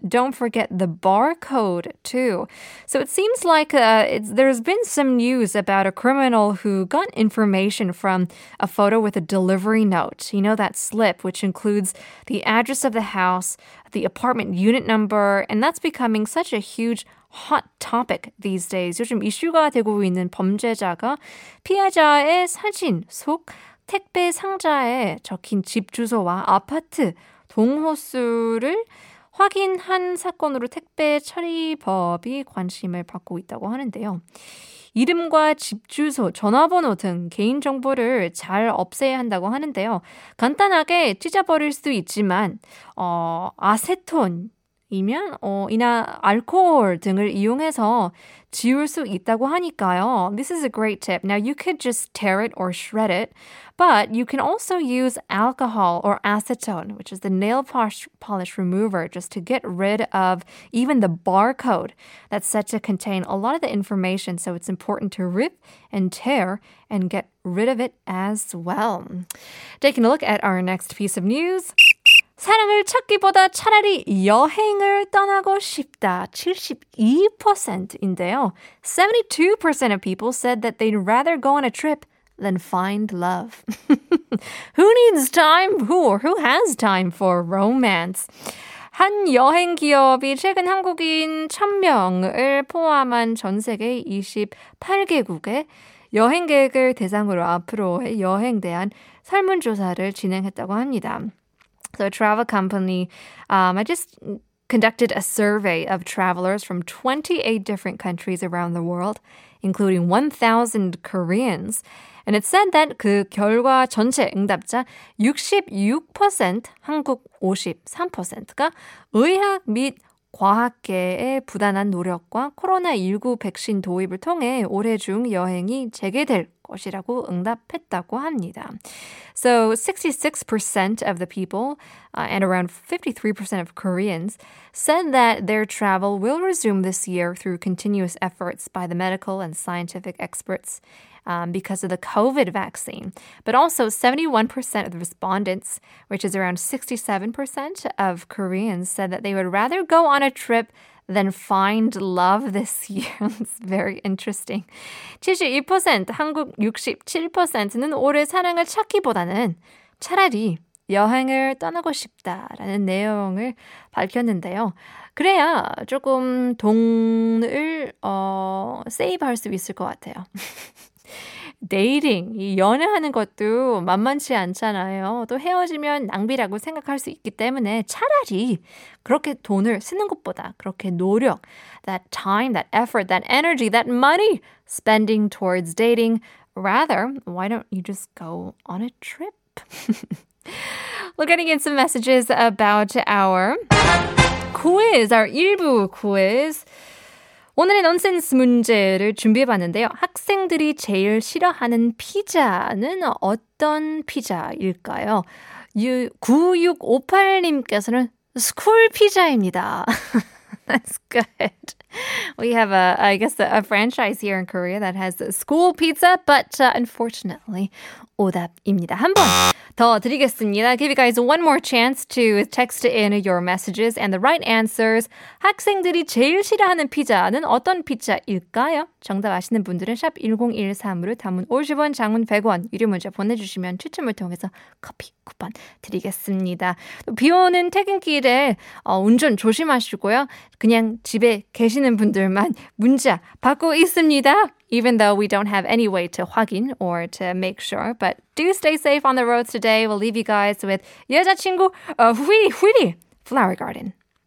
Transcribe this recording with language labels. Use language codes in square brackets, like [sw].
[en] Don't forget the barcode too. So it seems like there's been some news about a criminal who got information from a photo with a delivery note. You know, that slip which includes the address of the house, the apartment unit number, and that's becoming such a huge hot topic these days. [ko] 요즘 이슈가 되고 있는 범죄자가 피해자의 사진 속 택배 상자에 적힌 집 주소와 아파트 동호수를 확인한 사건으로 택배 처리법이 관심을 받고 있다고 하는데요. 이름과 집 주소, 전화번호 등 개인정보를 잘 없애야 한다고 하는데요. 간단하게 찢어버릴 수도 있지만 아세톤이면 이나 알코올 등을 이용해서 지울 수 있다고 하니까요. [en] This is a great tip. Now you could just tear it or shred it, but you can also use alcohol or acetone, which is the nail polish remover, just to get rid of even the barcode that's said to contain a lot of the information. So it's important to rip and tear and get rid of it as well. Taking a look at our next piece of news. [ko] 사랑을 찾기보다 차라리 여행을 떠나고 싶다. 72%인데요. [en] 72% of people said that they'd rather go on a trip than find love. Who needs time? Who has time for romance? [ko] 한 여행 기업이 최근 한국인 1,000명을 포함한 전 세계 28개국에 여행객을 대상으로 앞으로의 여행 대한 설문조사를 진행했다고 합니다. [en] So a travel company, I just conducted a survey of travelers from 28 different countries around the world, including 1,000 Koreans. And it said that [ko] 그 결과 전체 응답자 66%, 한국 53%가 의학 및 과학계의 부단한 노력과 코로나19 백신 도입을 통해 올해 중 여행이 재개될 것이라고 응답했다고 합니다. [en] So 66% of the people and around 53% of Koreans said that their travel will resume this year through continuous efforts by the medical and scientific experts because of the COVID vaccine. But also 71% of the respondents, which is around 67% of Koreans, said that they would rather go on a trip than find love this year. It's very interesting. [ko] 72%, 한국 67%는 올해 사랑을 찾기보다는 차라리 여행을 떠나고 싶다라는 내용을 밝혔는데요. 그래야 조금 돈을 세이브할 수 있을 것 같아요. 데이팅, 연애하는 것도 만만치 않잖아요. 또 헤어지면 낭비라고 생각할 수 있기 때문에 차라리 그렇게 돈을 쓰는 것보다 그렇게 노력, [en] that time, that effort, that energy, that money spending towards dating, rather, why don't you just go on a trip? We're getting in some messages about our quiz, our 1부 quiz. [ko] 오늘의 넌센스 문제를 준비해봤는데요. 학생들이 제일 싫어하는 피자는 어떤 피자일까요? 9658님께서는 스쿨 피자입니다. [en] That's good. We have, a franchise here in Korea that has school pizza, but unfortunately, [ko] 오답입니다. 한 번 더 드리겠습니다. [en] Give you guys one more chance to text in your messages and the right answers. [ko] 학생들이 제일 싫어하는 피자는 어떤 피자일까요? 정답 아시는 분들은 샵 1013으로 담은 50원, 장문 100원, 유료 문자 보내주시면 추첨을 통해서 커피 쿠폰 드리겠습니다. 비 오는 퇴근길에 운전 조심하시고요. 그냥 집에 계시는 분들만 문자 받고 있습니다. [en] Even though we don't have any way to 확인 or to make sure. But do stay safe on the roads today. We'll leave you guys with 여자친구 휘리 휘리 Flower Garden.